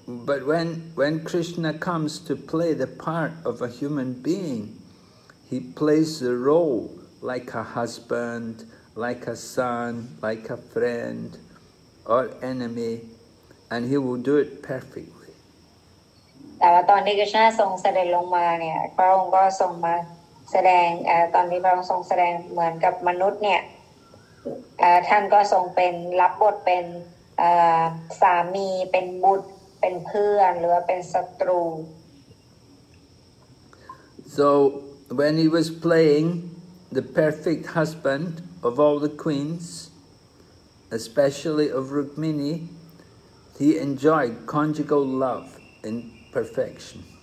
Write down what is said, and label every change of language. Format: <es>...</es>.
<en>But when Krishna comes to play the part of a human being, he plays the role like a husband, like a son, like a friend or enemy, and he will do it perfectly.</en> <th>แต่ว่าตอนที่กฤษณะทรงเสด็จลงมาเนี่ยพระองค์ก็ทรงมา แสดงตอนที่พระองค์ทรงแสดงเหมือนกับมนุษย์เนี่ยท่านก็ทรงเป็นรับบทเป็นสามีเป็นบุตรเป็นเพื่อนหรือว่าเป็นศัตรู</th> <en>So when he was playing the perfect husband of all the queens especially of Rukmini he enjoyed conjugal love in perfection</en>